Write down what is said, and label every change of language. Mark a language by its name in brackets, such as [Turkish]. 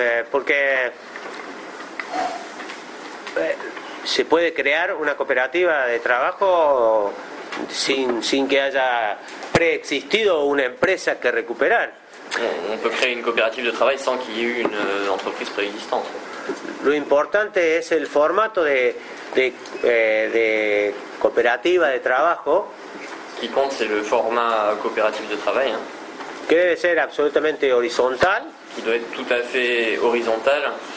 [Spanish] Porque se puede crear una cooperativa de trabajo sin que haya preexistido una empresa que recuperar. [French] On peut créer une coopérative de travail sans qu'il y ait eu une entreprise préexistante. [Spanish] Lo importante es el formato de cooperativa de trabajo. [French] Ce qui compte, c'est le format coopératif de travail. Hein. [Spanish] Que debe ser absolutamente horizontal. [French] Qui doit être tout à fait horizontal.